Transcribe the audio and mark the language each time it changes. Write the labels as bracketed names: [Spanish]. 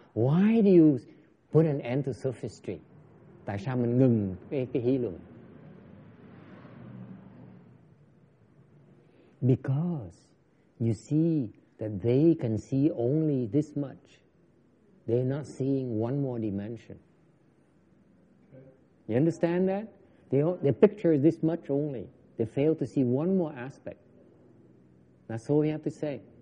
[English] Why do you put an end to sophistry? [Vietnamese] Tại sao mình ngừng cái hí luận? [English] Because you see that they can see only this much. They're not seeing one more dimension. You understand that? Their picture is this much only. They fail to see one more aspect. That's all you have to say.